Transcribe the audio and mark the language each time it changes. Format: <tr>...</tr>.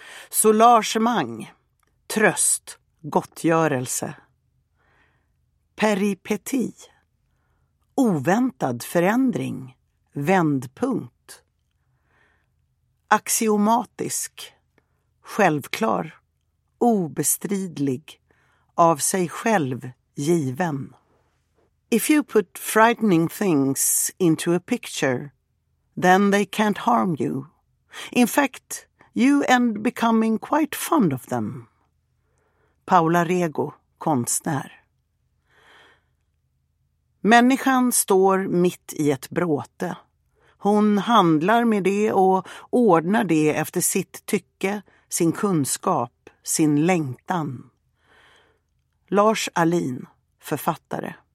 <sv>Soulagemang. Tröst, gottgörelse. Peripeti. Oväntad förändring, vändpunkt. Axiomatisk. Självklar, obestridlig, av sig själv given.</sv> <en>If you put frightening things into a picture, then they can't harm you. In fact, you end becoming quite fond of them.</en> <sv>Paula Rego, konstnär. Människan står mitt i ett bråte. Hon handlar med det och ordnar det efter sitt tycke, sin kunskap, sin längtan. Lars Ahlin, författare.</sv>